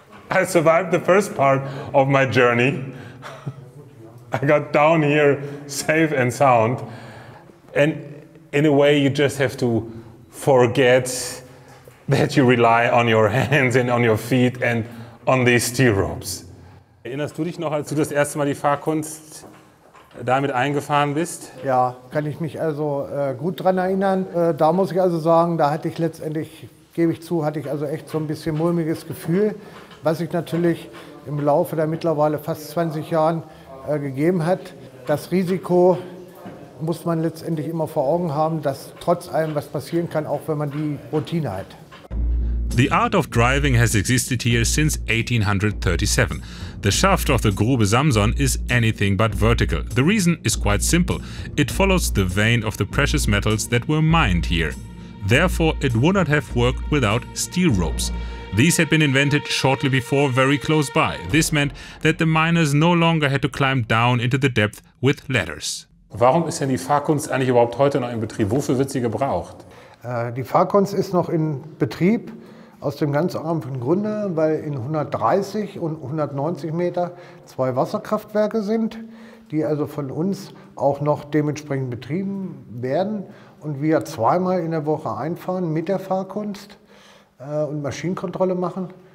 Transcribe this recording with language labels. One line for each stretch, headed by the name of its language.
English: I survived the first part of my journey. I got down here safe and sound. And in a way, you just have to forget that you rely on your hands and on your feet and on these steel ropes.
German: Erinnerst du dich noch, als du das erste Mal die Fahrkunst damit eingefahren bist? Ja, kann ich mich also gut dran erinnern. Da muss ich also sagen, da hatte ich letztendlich, gebe ich zu, hatte ich also echt so ein bisschen mulmiges Gefühl. Was sich natürlich im Laufe der mittlerweile fast 20 Jahren gegeben hat. Das Risiko muss man letztendlich immer vor Augen haben, dass trotz allem was passieren kann, auch wenn man die Routine hat.
English: The art of driving has existed here since 1837. The shaft of the Grube Samson is anything but vertical. The reason is quite simple. It follows the vein of the precious metals that were mined here. Therefore, it would not have worked without steel ropes. These had been invented shortly before, very close by. This meant that the miners no longer had to climb down into the depth with ladders.
German: Warum ist denn die Fahrkunst eigentlich überhaupt heute noch in Betrieb? Wofür wird sie gebraucht? Die Fahrkunst ist noch in Betrieb aus dem ganz einfachen Grunde, weil in 130 und 190 Meter zwei Wasserkraftwerke sind, die also von uns auch noch dementsprechend betrieben werden und wir zweimal in der Woche einfahren mit der Fahrkunst und Maschinenkontrolle machen.